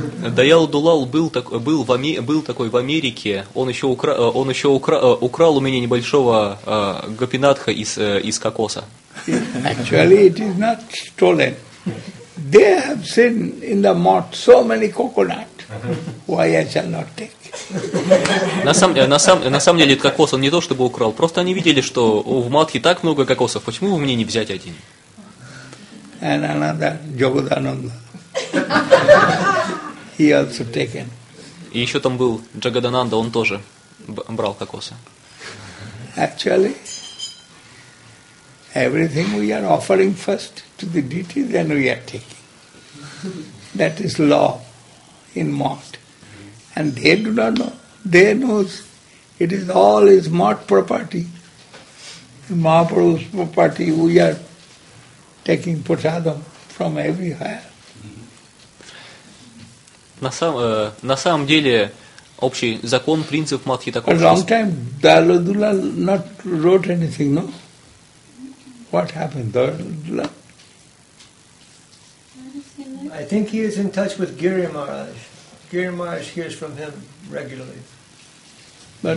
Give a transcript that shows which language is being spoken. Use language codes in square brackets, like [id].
[ru] Даял Дулал был, так, был, в Ами... был такой в Америке, он еще украл у меня небольшого гопинатха из кокоса. [en] Actually, it is not stolen. They have seen in the mart so many coconut. Why I shall not take? [ru] На самом деле, кокос он не то чтобы украл, просто они видели, что в матхе так много кокосов, почему бы мне не взять один? [en] And another Jagadananda. He also taken. [ru] И еще там был Джагадананда, он тоже брал кокосы. [en] Actually, everything we are offering first to the deity, then we are taking. That is law in mort. And they do not know. They know it is all is mort property. Mahaprabhu's property we are taking prasadam from everywhere. [ru] На самом деле, общий закон, принцип матхи такой. [en] A long time Dayalu Dulal not wrote anything, no? What happened, Dayalu Dulal? I think he is in touch with Giri Maharaj. Giri Maharaj hears from him regularly. But